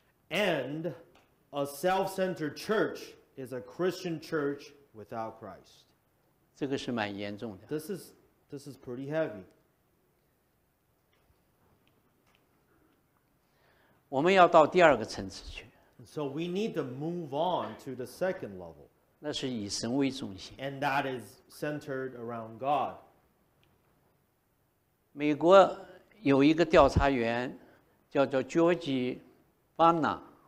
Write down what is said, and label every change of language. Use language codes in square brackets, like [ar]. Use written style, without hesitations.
[en] And a self-centered church is a Christian church without Christ. [zh] 这个是蛮严重的。 [en] This is pretty heavy. [zh] 我们要到第二个层次去。 [en] So we need to move on to the second level. [zh] 那是以神为中心。 [en] And that is centered around God. [zh] 美国有一个调查员叫 George Barna.